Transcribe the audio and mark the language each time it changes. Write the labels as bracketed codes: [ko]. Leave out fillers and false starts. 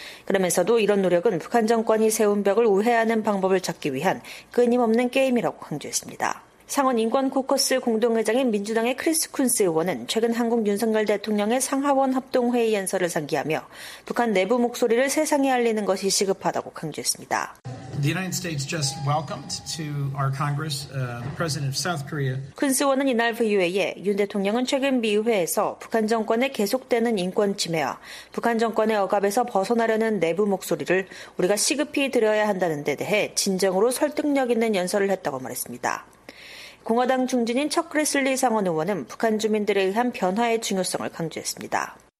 [ko] 그러면서도 이런 노력은 북한 정권이 세운 벽을 우회하는 방법을 찾기 위한 끊임없는 게임이라고 강조했습니다. 상원 인권코커스 공동회장인 민주당의 크리스 쿤스 의원은 최근 한국 윤석열 대통령의 상하원 합동회의 연설을 상기하며 북한 내부 목소리를 세상에 알리는 것이 시급하다고 강조했습니다. [en] The United States just welcomed to our Congress the President of South Korea. [ko] 쿤스 의원은 이날 VOA에 윤 대통령은 최근 미 의회에서 북한 정권의 계속되는 인권 침해와 북한 정권의 억압에서 벗어나려는 내부 목소리를 우리가 시급히 들어야 한다는 데 대해 진정으로 설득력 있는 연설을 했다고 말했습니다. 공화당 중진인 척 그레슬리 상원 의원은 북한 주민들에 의한 변화의 중요성을 강조했습니다.